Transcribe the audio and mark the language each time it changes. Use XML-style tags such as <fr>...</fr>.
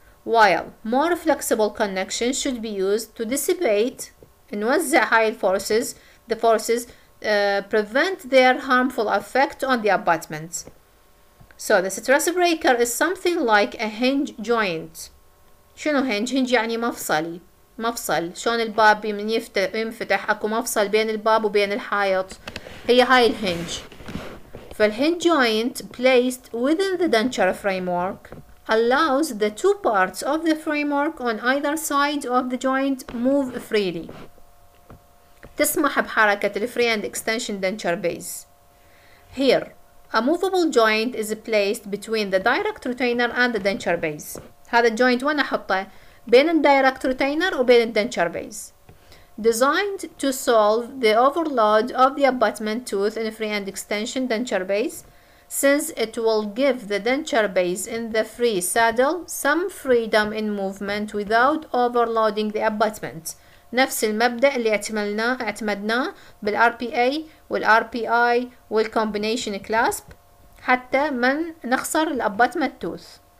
<en>While more flexible connection should be used to dissipate and</en> <ar>نوزع هاي الفورسز,</ar> <en>the forces prevent their harmful effect on the abutment. So the stress breaker is something like a hinge joint.</en> <ar>شنو hinge؟ hinge يعني مفصلي, مفصل. شلون الباب من يفتح اكو مفصل بين الباب وبين الحائط, هي هاي الهنج.</ar> <en>فالhinge joint placed within the denture framework allows the two parts of the framework on either side of the joint move freely.</en> <ar>تسمح بحركة</ar> <en>free end extension denture base. Here, a movable joint is placed between the direct retainer and the denture base.</en> <ar>هذا joint وانا حطه بين direct retainer وبين denture base.</ar> <en>Designed to solve the overload of the abutment tooth in free end extension denture base, since it will give the denture base in the free saddle some freedom in movement without overloading the abutment.</en> <ar>نفس المبدأ اللي اعتمدناه بالRPA والRPI والcombination clasp حتى من نخسر الابتمنت tooth.</ar>